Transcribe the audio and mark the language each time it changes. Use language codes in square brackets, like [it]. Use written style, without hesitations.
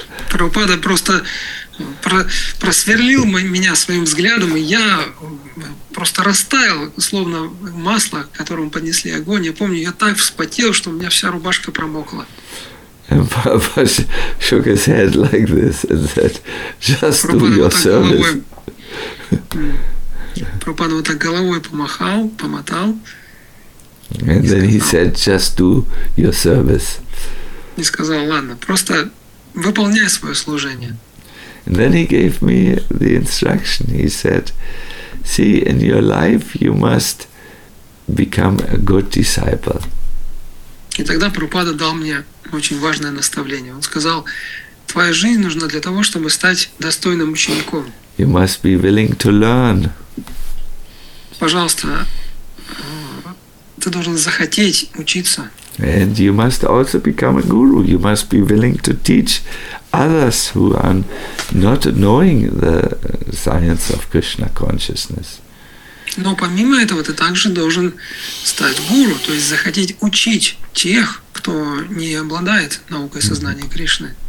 [ru] Прабхупада просто просверлил меня своим взглядом, и я просто растаял, словно масло, которому поднесли огонь. Я помню, я так вспотел, что у меня вся рубашка промокла. [en] And Papa shook his head like this and said, just do your service. [ru] Прабхупада вот так головой помахал, помотал. [en] And then he said, just do your service. [ru] И сказал, ладно, просто выполняй свое служение. [en] And then he gave me the instruction. He said, see, in your life you must become a good disciple. [ru] И тогда Прабхупада дал мне очень важное наставление. Он сказал, твоя жизнь нужна для того, чтобы стать достойным учеником. [en] You must be willing to learn. [ru] Пожалуйста, ты должен захотеть учиться. [en] And you must also become a guru. You must be willing to teach others who are not knowing the science of Krishna consciousness. [ru] Но помимо этого, ты также должен стать гуру, то есть захотеть учить тех, кто не обладает наукой сознания Кришны.